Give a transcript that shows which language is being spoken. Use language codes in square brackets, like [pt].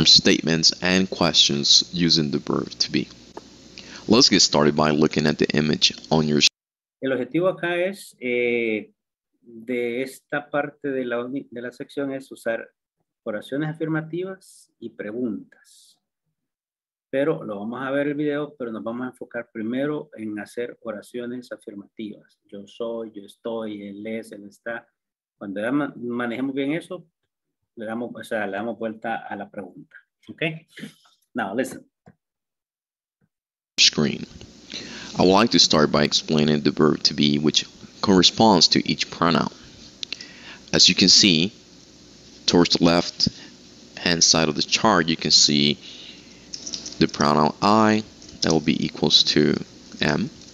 [en] Statements and questions using the verb to be. Let's get started by looking at the image on your screen. [es] El objetivo acá es, de esta parte de la sección, es usar oraciones afirmativas y preguntas. Pero lo vamos a ver el video, pero nos vamos a enfocar primero en hacer oraciones afirmativas. Yo soy, yo estoy, él es, él está. Cuando ya manejemos bien eso, le damos vuelta a la pregunta. [en] Ok. Now, listen. Screen. I would like to start by explaining the verb to be, which corresponds to each pronoun. As you can see, towards the left hand side of the chart, you can see the pronoun I, that will be equals to am.